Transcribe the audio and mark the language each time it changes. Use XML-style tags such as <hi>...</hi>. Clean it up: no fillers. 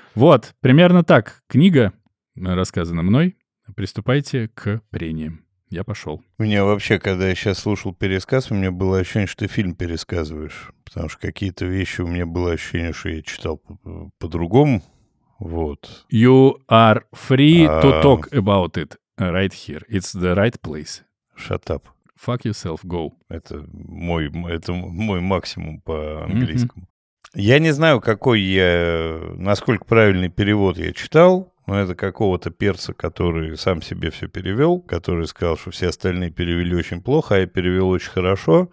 <ru>Вот, примерно так. Книга, рассказано мной. Приступайте к прениям. Я пошел. У меня вообще, когда я сейчас слушал пересказ, у меня было ощущение, что фильм пересказываешь. потому что какие-то вещи у меня было ощущение, что я читал по-другому. Вот.</ru> <en>You are free to talk about it right here. It's the right place. Shut up. Fuck yourself, go.</en> <ru>Это мой максимум по-английскому. Mm-hmm. Я не знаю, насколько правильный перевод я читал, но это какого-то перца, который сам себе все перевел, который сказал, что все остальные перевели очень плохо, а я перевел очень хорошо.</ru>